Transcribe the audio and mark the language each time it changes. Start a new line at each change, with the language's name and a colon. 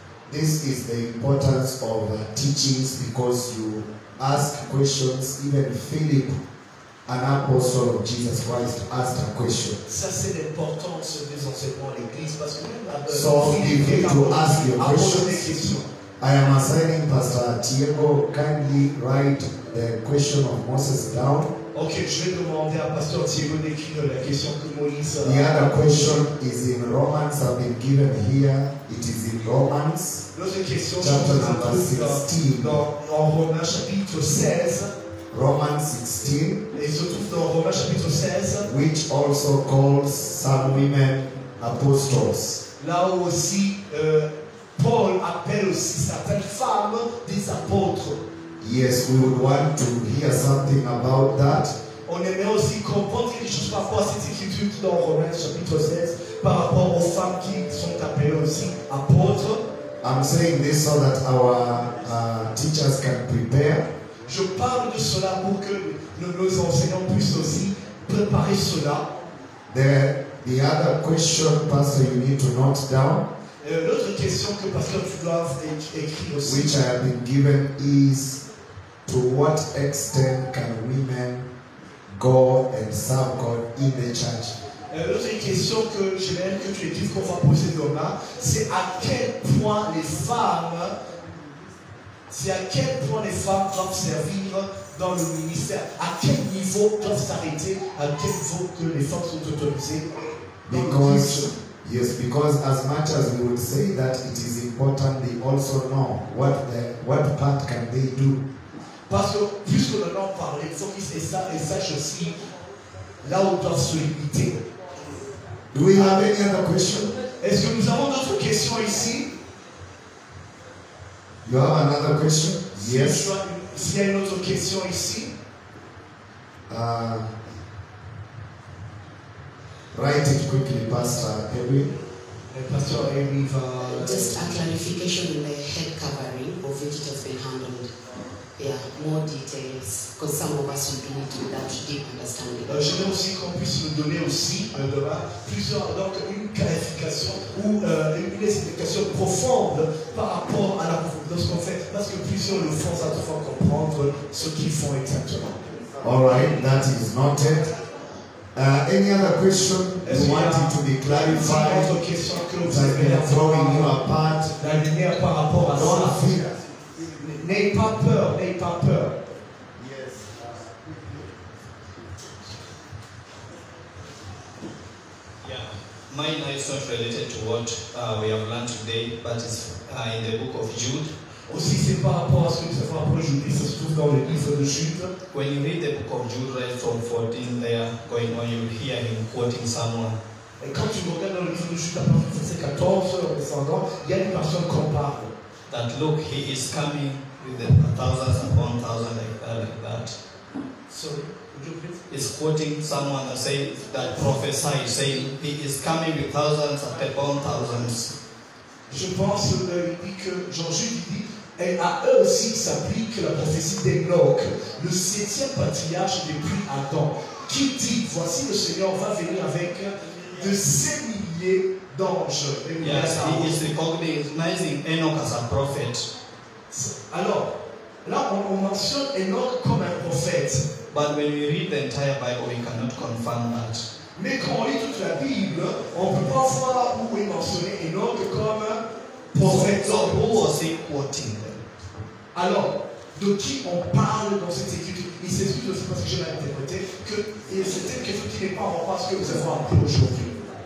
English: This is the importance of teachings, because you ask questions. Even Philip, an apostle of Jesus Christ, asked a question.
French: Ça, c'est l'importance de ces enseignements à l'église, parce que même
English: so if you to ask your questions, I am assigning Pastor Thiago, kindly write the question of Moses down.
French: Ok, je vais demander à Pastor Thiago d'écrire la question que Moïse a.
English: The other question is in Romans, I've been given here. It is in Romans, chapter number 16.
French: Dans Romains chapitre 16.
English: Romans 16.
French: Et se trouve dans Romains chapitre 16.
English: Which also calls some women apostles.
French: Là aussi, Paul appelle aussi certaines femmes des apôtres.
English: Yes, we would want to hear something about that.
French: On aimerait aussi comprendre quelque chose par rapport à cette écriture dans Romains chapitre 16, par rapport aux femmes qui sont appelées aussi apôtres.
English: I'm saying this so that our teachers can prepare.
French: Je parle de cela pour que nos enseignants puissent aussi préparer cela.
English: The other question, Pastor, you need to note down.
French: L'autre question que Pastor tu dois écrire aussi.
English: Which I have been given is, to what extent can women go and serve God in the church?
French: L'autre question que j'aimerais que tu écrives, qu'on va poser demain, c'est à quel point les femmes, c'est à quel point les femmes doivent servir dans le ministère, à quel niveau doivent s'arrêter, à quel niveau que les femmes sont autorisées dans le.
English: Yes, because as much as we would say that it is important, they also know what part can they do.
French: Parce que puisque nous allons parler, il faut qu'ils sachent aussi là où doivent se limiter.
English: Do we have any other question?
French: Est-ce que nous avons d'autres questions ici?
English: You have another question? Yes.
French: S'il y a une autre question ici?
English: Write it quickly, Pastor Henry. Pastor Henry, just a clarification in the head covering of which it has been handled. Yeah, more details, because some of us will do it without deep understanding.
French: Je voudrais aussi qu'on puisse nous donner aussi plusieurs, donc une clarification ou une explication profonde par rapport à ce qu'on fait, parce que plusieurs le font sans toutefois comprendre ce qu'ils font exactement.
English: All right, that is noted. Any other question you wanted to be clarified? That's been throwing you apart. Don't fear.
French: N'aie pas peur. N'aie pas peur.
English: Yes. Yeah. Mine is not related to what we have learned today, but it's in the book of Jude.
French: Aussi, c'est par rapport à ce que ça fait après Jude, ça se trouve dans le livre de Jude.
English: When you read the book of Jude, right from 14 there, going on, you hear him quoting someone.
French: Et quand tu regardes dans le livre de Jude, à partir du verset 14, en descendant, il y a une personne qu'on parle.
English: That look, he is coming with the thousands upon thousands like that. Sorry, would you please? He's quoting someone that says, that prophesied, saying, he is coming with thousands upon thousands.
French: Je pense que Jean-Jude dit, et à eux aussi s'applique la prophétie d'Enoch, le septième patriarche depuis Adam, qui dit, voici le Seigneur va venir avec de 7 milliers d'anges.
English: Yes, he is recognizing Enoch as a prophet.
French: Alors, là on mentionne Enoch comme un prophète.
English: But when we read the entire Bible, we cannot confirm that.
French: Mais quand on lit toute la Bible, on ne peut pas voir où est mentionné Enoch comme prophète.
English: So, who was he quoting?
French: Alors, de qui on parle dans cette étude? Il s'explique aussi parce que je l'ai interprété, que c'est quelque chose qui n'est pas en parce que nous avons appris aujourd'hui.